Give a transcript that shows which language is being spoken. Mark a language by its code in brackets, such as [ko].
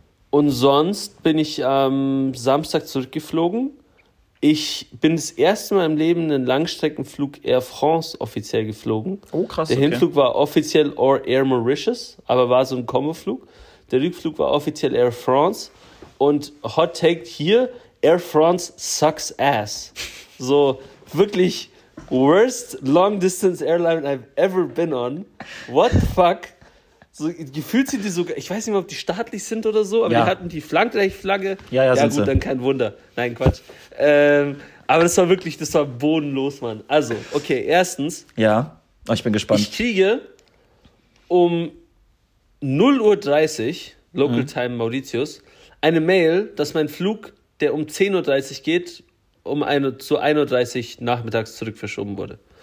[de] Und sonst bin ich am Samstag zurückgeflogen. Ich bin das erste Mal im Leben einen Langstreckenflug Air France offiziell geflogen. Oh, krass. Der Hinflug war offiziell Or Air Mauritius, aber war so ein Kombiflug. Der Rückflug war offiziell Air France. Und Hot Take hier, Air France [en] sucks ass. [de] So wirklich [en] worst long distance airline I've ever been on. What the fuck? [de] So gefühlt sind die sogar, ich weiß nicht mehr, ob die staatlich sind oder so, aber ja, die hatten die Frankreich-Flagge. Ja, sind gut, sie. Dann kein Wunder. Nein, Quatsch. Aber das war bodenlos, Mann. Also, okay, erstens. Ja, ich bin gespannt. Ich kriege um 0.30 Uhr, Local Time Mauritius, eine Mail, dass mein Flug, der um 10.30 Uhr geht, zu 1.30 Uhr nachmittags zurückverschoben wurde.